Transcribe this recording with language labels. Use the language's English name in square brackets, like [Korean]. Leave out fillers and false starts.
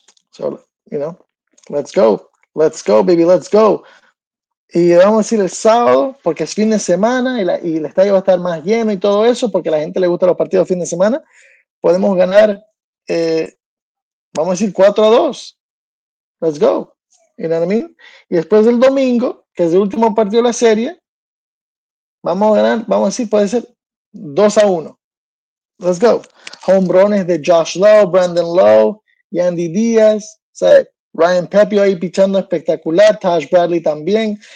[English] So, you know, let's go. Let's go, baby, let's go. [Spanish] Y vamos a decir el sábado, porque es fin de semana y el estadio va a estar más lleno y todo eso, porque a la gente le gusta los partidos fin de semana. Podemos ganar, vamos a decir 4-2. [English] Let's go. You know what I mean? [Spanish] Y después del domingo, que es el último partido de la serie, vamos a ganar, vamos a decir, puede ser 2-1. [English] Let's go. [Spanish] Home runs de Josh Lowe, Brandon Lowe, Yandy Díaz, ¿sabes? Ryan Pepio ahí pichando espectacular. Taj Bradley también.